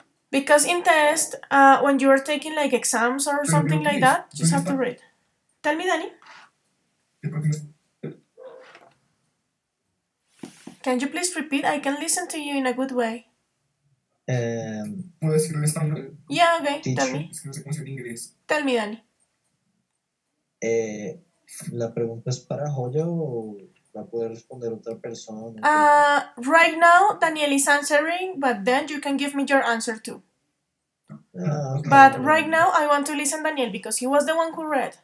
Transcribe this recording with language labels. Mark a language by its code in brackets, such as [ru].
[en] Because in test, when you are taking like exams or something like that, you just have to read. Tell me, Danny. Can you please repeat? I can listen to you in a good way. [es] ¿Puedo decirle español? [en] Yeah, okay, tell me. [es] Es que no sé cómo se dice inglés. [en] Tell me, Dani. [es] ¿La pregunta es para Joya o la puede responder otra persona? [en] Right now, Daniel is answering, but then you can give me your answer too. But right now, I want to listen to Daniel because he was the one who read.